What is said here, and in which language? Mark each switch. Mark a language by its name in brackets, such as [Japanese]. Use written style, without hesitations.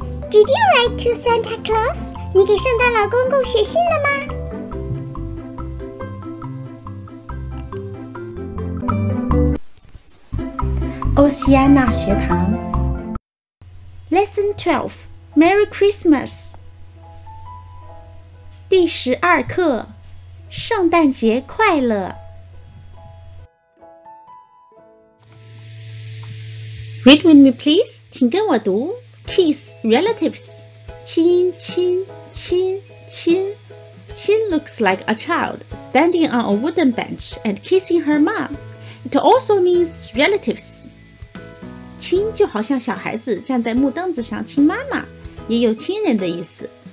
[English] Did you write to Santa Claus? [Chinese] 你给圣诞老公公写信了吗？欧西安娜学堂 [English] Lesson 12 Merry Christmas [Chinese] 第十二课圣诞节快乐 [English] Read with me please [Chinese] 请跟我读 [English] Kiss relatives [Chinese] 亲亲亲亲 [English] Chin looks like a child standing on a wooden bench and kissing her mom It also means relatives [Chinese] 亲就好像小孩子站在木凳子上亲妈妈，也有亲人的意思。